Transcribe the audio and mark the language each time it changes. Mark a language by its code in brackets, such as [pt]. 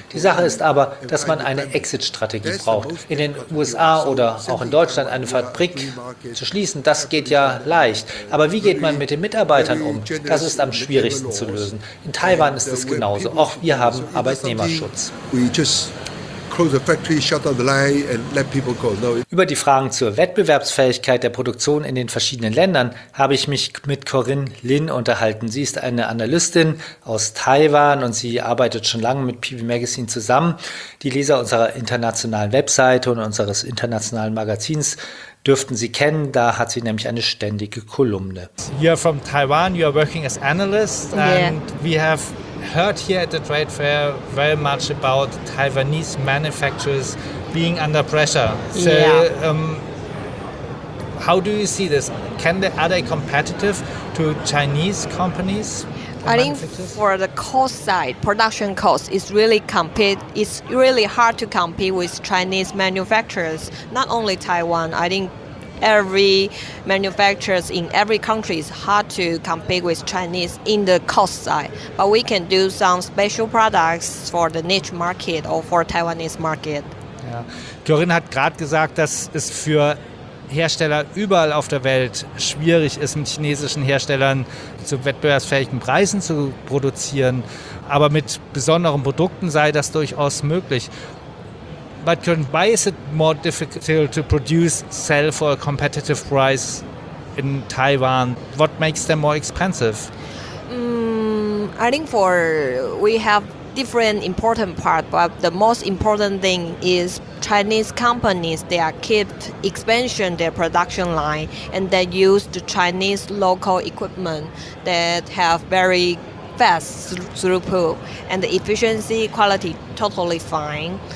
[de] Die Sache ist aber, dass man eine Exit-Strategie braucht. In den USA oder auch in Deutschland eine Fabrik zu schließen, das geht ja leicht. Aber wie geht man mit den Mitarbeitern um? Das ist am schwierigsten zu lösen. In Taiwan ist es genauso. Auch wir haben Arbeitnehmerschutz. [en] We just close the factory, shut down the line and let people go. No. [de] Über die Fragen zur Wettbewerbsfähigkeit der Produktion in den verschiedenen Ländern habe ich mich mit Corinne Lin unterhalten. Sie ist eine Analystin aus Taiwan und sie arbeitet schon lange mit PV Magazine zusammen. Die Leser unserer internationalen Webseite und unseres internationalen Magazins dürften Sie kennen, da hat sie nämlich eine ständige Kolumne. [en] You're from Taiwan, you're working as analyst and we have heard here at the trade fair very much about Taiwanese manufacturers being under pressure. So, how do you see this? Are they competitive to Chinese companies? I think for the cost side, production cost is really It's really hard to compete with Chinese manufacturers. Not only Taiwan. I think every manufacturers in every country is hard to compete with Chinese in the cost side. But we can do some special products for the niche market or for Taiwanese market. [de] Ja. Corinne hat gerade gesagt, dass es für Hersteller überall auf der Welt schwierig ist, mit chinesischen Herstellern zu wettbewerbsfähigen Preisen zu produzieren. Aber mit besonderen Produkten sei das durchaus möglich. [en] But why is it more difficult to produce, sell for a competitive price in Taiwan? What makes them more expensive? I think we have different important part, but the most important thing is Chinese companies, they are keep expansion their production line and they use the Chinese local equipment that have very fast throughput and the efficiency quality totally fine.